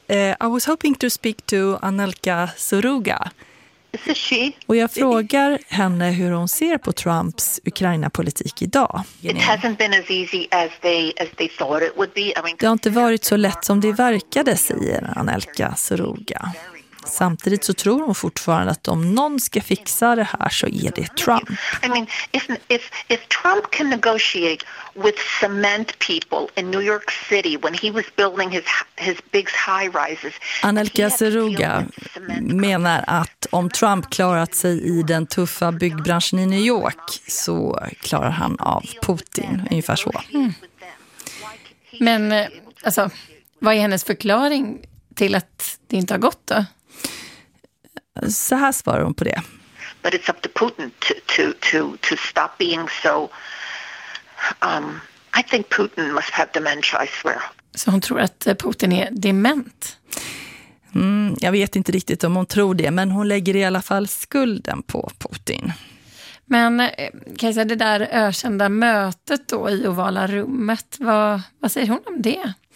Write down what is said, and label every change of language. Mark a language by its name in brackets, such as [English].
[English] I was hoping to speak to Anelka Soruga. Is this she? [Swedish] Och jag frågar henne hur hon ser på Trumps Ukraina-politik idag. [English] It hasn't been as easy as they thought it would be. [Swedish] Det har inte varit så lätt som det verkade, säger Anelka Soruga. Samtidigt så tror hon fortfarande att om någon ska fixa det här så är det Trump. [English] I mean, if Trump can negotiate with cement people in New York City when he was building his big high rises. [Swedish] Anelka Soruga menar att om Trump klarat sig i den tuffa byggbranschen i New York så klarar han av Putin, ungefär så. Mm. Men alltså, vad är hennes förklaring till att det inte har gått då? Så här svarar hon på det. [English] But it's up to Putin to stop being so. I think Putin must have dementia, I swear. [Swedish] Så hon tror att Putin är dement? Jag vet inte riktigt om hon tror det, men hon lägger i alla fall skulden på Putin. Men Kajsa, det där ökända mötet då i ovala rummet, vad säger hon om det?